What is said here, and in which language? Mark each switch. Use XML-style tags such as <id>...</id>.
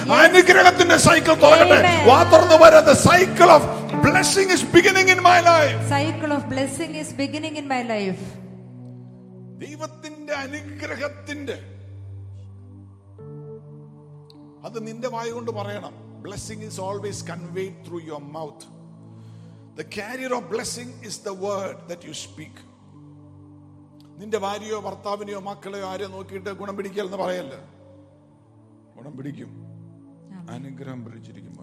<ml>അനുഗ്രഹത്തിന്റെ സൈക്കിൾ തുറക്കട്ടെ. വാതർന്നു വരാ.</ml> <en>The cycle of blessing is beginning in my life. Cycle of blessing is beginning in my life.</en> <ml>ദൈവത്തിന്റെ അനുഗ്രഹത്തിന്റെ അത് നിന്റെ വായ കൊണ്ട് പറയണം.</ml> <en>Blessing is always conveyed through your mouth. The carrier of blessing is the word that you speak.</en> <ml>നിന്റെ ഭാര്യയോ ഭർത്താവിനെയോ മക്കളെയോ ആരെ നോക്കിയിട്ട് ഗുണം പിടിക്കുക എന്ന് പറയല്ല, ഗുണം പിടിക്കും, അനുഗ്രഹം പിടിച്ചിരിക്കും.</ml>